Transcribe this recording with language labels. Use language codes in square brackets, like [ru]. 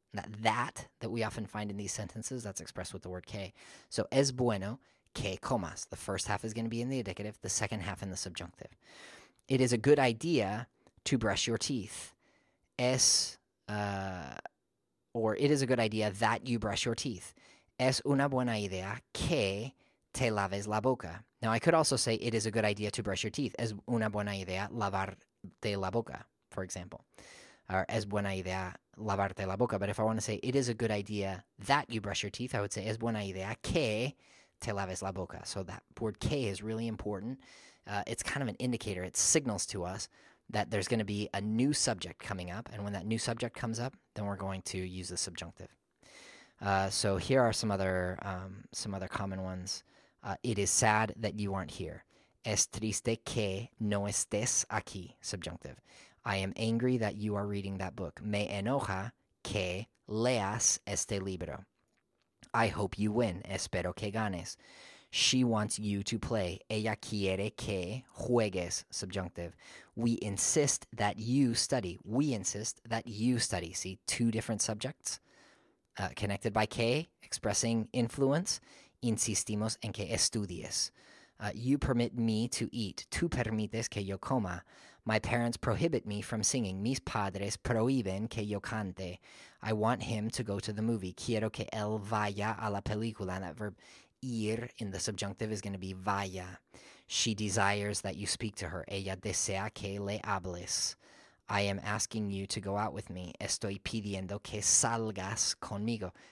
[en] That we often find in these sentences, that's expressed with the word que. So [es] es bueno que comas. [en] The first half is going to be in the indicative, the second half in the subjunctive. It is a good idea to brush your teeth. It is a good idea that you brush your teeth. [es] Es una buena idea que te laves la boca. [en] Now, I could also say it is a good idea to brush your teeth. [es] Es una buena idea lavarte la boca, [en] for example. [es] Or es buena idea lavarte la boca. [en] But if I want to say it is a good idea that you brush your teeth, I would say [es] es buena idea que te laves la boca. [en] So that word que is really important. It's kind of an indicator. It signals to us that there's going to be a new subject coming up. And when that new subject comes up, then we're going to use the subjunctive. So here are some other common ones. It is sad that you aren't here. [es] Es triste que no estés aquí. [en] Subjunctive. I am angry that you are reading that book. [es] Me enoja que leas este libro. [en] I hope you win. [es] Espero que ganes. [en] She wants you to play. [es] Ella quiere que juegues. [en] Subjunctive. We insist that you study. We insist that you study. See, two different subjects connected by que, expressing influence. [es] Insistimos en que estudies. [en] You permit me to eat. [es] Tú permites que yo coma. [en] My parents prohibit me from singing. [es] Mis padres prohíben que yo cante. [en] I want him to go to the movie. [es] Quiero que él vaya a la película. [en] And that verb ir in the subjunctive is going to be vaya. She desires that you speak to her. [es] Ella desea que le hables. [en] I am asking you to go out with me. [es] Estoy pidiendo que salgas conmigo.